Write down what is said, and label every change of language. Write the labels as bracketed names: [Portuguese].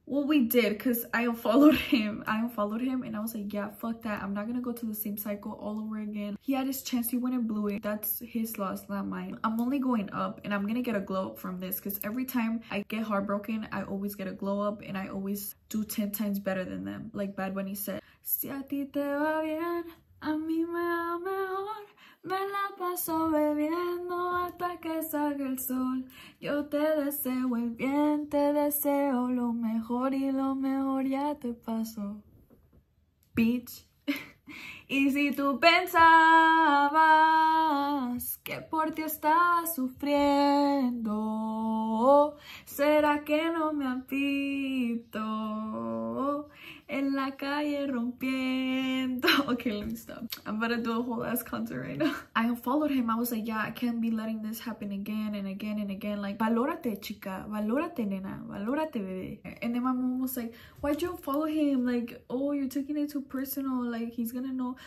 [English] Well, we did, because I unfollowed him and I was like, yeah, fuck that, I'm not gonna go to the same cycle all over again. He had his chance, he went and blew it. That's his loss, not mine. I'm only going up, and I'm gonna get a glow up from this, because every time I get heartbroken, I always get a glow up, and I always do 10 times better than them. Like Bad Bunny said, [Spanish] si a ti te va bien, a mi me va mejor. Me la paso bebiendo hasta que salga el sol. Yo te deseo el bien, te deseo lo mejor y lo mejor ya te pasó. Bitch. Y si tú pensabas que por ti estaba sufriendo, ¿será que no me han visto en la calle rompiendo? [English] Okay, let me stop. I'm about to do a whole ass concert right now. I followed him. I was like, yeah, I can't be letting this happen again and again and again. [Spanish] Like, valórate, chica. Valórate, nena. Valórate, bebé. [English] And then my mom was like, why'd you follow him? Like, oh, you're taking it too personal. Like, he's gonna know.